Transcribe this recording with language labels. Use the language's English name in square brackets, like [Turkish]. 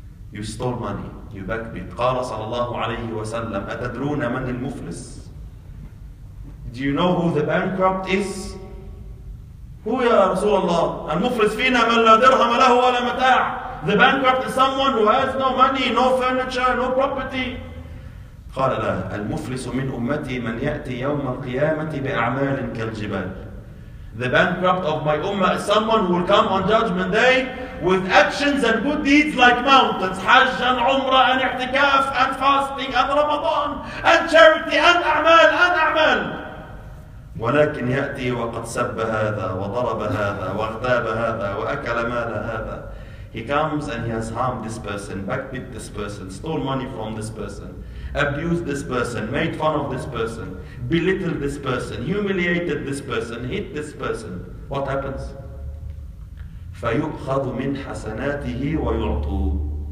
[English] You stole money, you backbit. [Arabic] Qala sallallahu alayhi wa sallam, atadruna man al-muflis? [English] Do you know who the bankrupt is? Who ya Rasulullah? [Arabic] Al-muflis fina man la dirham lahu wa la mata'. [English] The bankrupt is someone who has no money, no furniture, no property. [Arabic] قال لا المفلس من أمتي من يأتي يوم القيامة بأعمال كالجبال. [English] The bankrupt of my ummah is someone who will come on judgment day with actions and good deeds like mountains. حج and عمره and اعتكاف and fasting and رمضان and charity and أعمال and أعمال. [Arabic] ولكن يأتي وقد سب هذا وضرب هذا واغتاب هذا وأكل مال هذا. [English] He comes and he has harmed this person, backbit this person, stole money from this person, abused this person, made fun of this person, belittled this person, humiliated this person, hit this person. What happens? [Arabic] فَيُؤْخَذُ مِنْ حَسَنَاتِهِ وَيُعْطُوا.